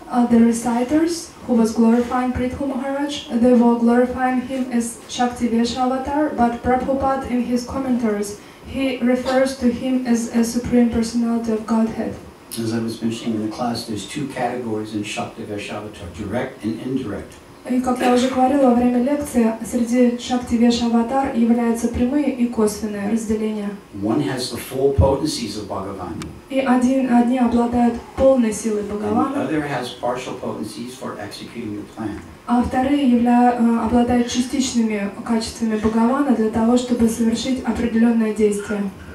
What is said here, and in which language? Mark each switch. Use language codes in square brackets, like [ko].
[en] the reciters who was glorifying Prithu Maharaj, they were glorifying him as Shakti Veshavatar, but Prabhupada in his commentaries, he refers to him as a Supreme Personality of Godhead. As I was mentioning in the class, there's two categories in Shakti Veshavatar, direct and indirect. [ru] И как я уже говорила во время лекции, среди Шакти Веш Аватар являются прямые и косвенные разделения. [en] One has the full potencies of Bhagavan. [ru] И одни обладают полной силой Бхагавана. [en] And the other has partial potencies for executing the plan. [ru] А вторые обладают частичными качествами Бхагавана для того, чтобы совершить определенное действие.